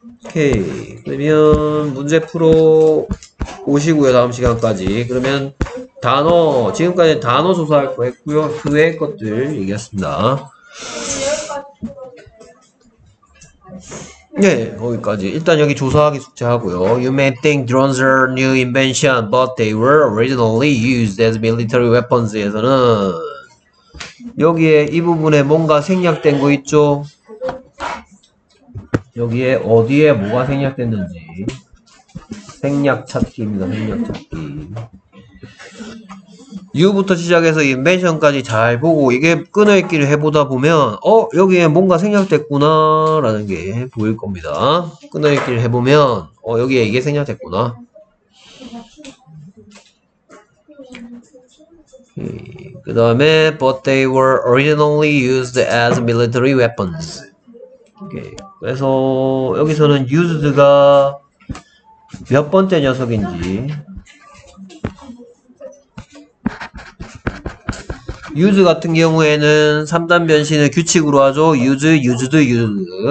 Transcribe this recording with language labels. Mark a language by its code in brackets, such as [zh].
[ko] 오케이 그러면 문제 풀어 오시고요 다음 시간까지 그러면 단어 지금까지 단어 조사할 거 했고요 그 외의 것들 얘기했습니다 네, 거기까지. 일단 여기 조사하기 숙제하고요. [en] You may think drones are new invention, but they were originally used as military weapons [ko] 에서는 여기에 이 부분에 뭔가 생략된 거 있죠? 여기에 어디에 뭐가 생략됐는지 생략 찾기입니다. 생략 찾기. U부터 시작해서 인벤션까지 잘 보고 이게 끊어있기를 해보다 보면 여기에 뭔가 생략됐구나 라는 게 보일 겁니다. 끊어있기를 해보면 여기에 이게 생략됐구나. 그 다음에 [en] But they were originally used as military weapons. [ko] 그래서 여기서는 used가 몇 번째 녀석인지 use 같은 경우에는 3단 변신을 규칙으로 하죠. [en] use, used, used.